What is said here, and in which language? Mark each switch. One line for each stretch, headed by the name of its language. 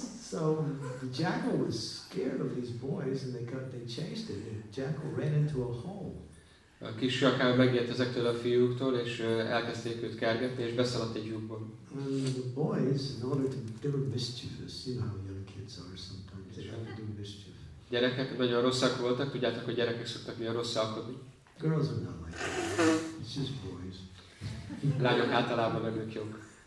English: So the jackal was scared of these boys and they chased it. The jackal ran into a hole.
Hungarian: A kis sakál megijedt ezektől a fiúktól, és elkezdték őt kergetni, és beszaladt egy lyukba.
English: The boys, in order to, they were mischievous. You know how young kids are sometimes. They have to do mischief.
Hungarian: Gyerekek nagyon rosszak voltak, tudjátok, hogy gyerekek szoktak milyen rosszalkodni.
English: Girls are not like that. It's just boys.
Hungarian: Lányok általában nem ők jók.